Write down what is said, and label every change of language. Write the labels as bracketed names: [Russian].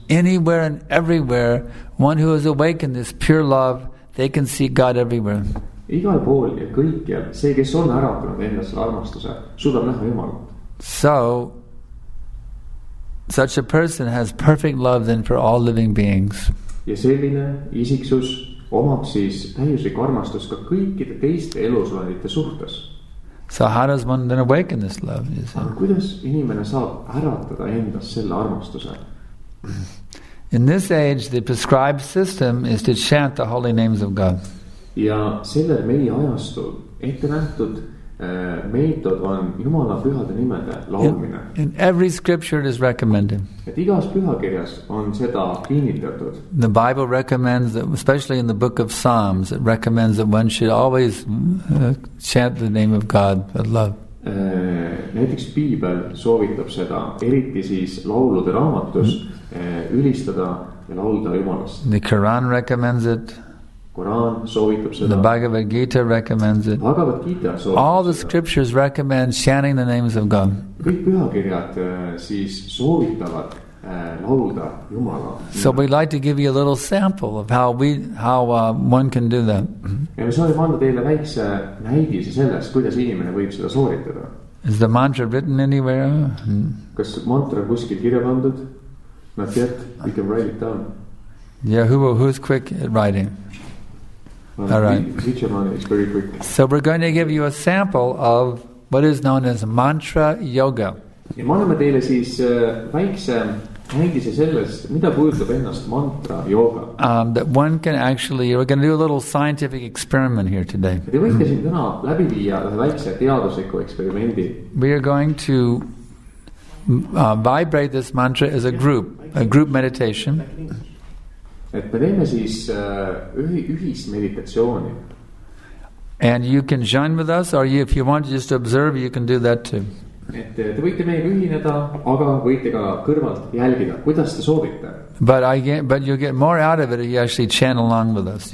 [English] Anywhere and everywhere, one who has awakened this pure love, they can see God everywhere. [Estonian] Igal pool ja kõikjal, see, kes on äratunud endas armastuse, suudab näha Jumalat. [English] So, such a person has perfect love then for all living beings. [Estonian] Ja selline isiksus omab siis täiuslik armastus ka kõikide teiste elusolendite suhtes. [English] So how does one then awaken this love? You see? [Estonian] Aga kuidas inimene saab äratada endas selle armastuse? [English] In this age, the prescribed system is to chant the holy names of God. [Estonian] Ja sellel meie ajastul ette nähtud meetod on Jumala pühade nimede laulmine. [English] In every scripture it is recommended. [Estonian] Et igas pühakirjas on seda kinnitatud. [English] The Bible recommends, that, especially in the book of Psalms, it recommends that one should always chant the name of God with love. [Estonian] Näiteks Piibel soovitab seda, eriti siis laulude raamatus, ülistada ja laulda Jumalast. [English] The Quran recommends it. [Estonian] Quran soovitab seda. [English] The Bhagavad Gita recommends it. [Estonian] Bhagavad Gita soovitab seda. [English] All the scriptures recommend chanting the names of God. [Estonian] Kõik pühakirjad siis soovitavad laulda Jumala. [English] So we'd like to give you a little sample of how one can do that. [Estonian] Ja me soovime anda teile väikse näidise sellest, kuidas inimene võib seda sooritada. [English] Is the mantra written anywhere? [Estonian] Kas mantra kuskil kirja pandud? [English] Not yet. We can write it down. Yeah, who's quick at writing? All right. Is very quick. So we're going to give you a sample of what is known as mantra yoga. [Estonian] Ja me anname teile siis väikse näidise sellest, mida puudutab ennast mantra yoga. [English] That one can actually, we're going to do a little scientific experiment here today. [Estonian] Te võite siin täna läbi viia väikse teadusliku eksperimendi. [English] We are going to vibrate this mantra as a group meditation. [Estonian] Et me teeme siis ühis meditatsiooni. [English] And you can join with us, or if you want to just observe, you can do that too. [Estonian] Et te võite meie ühineda, aga võite ka kõrvalt jälgida, kuidas te soovite. [English] But you get more out of it if you actually chant along with us.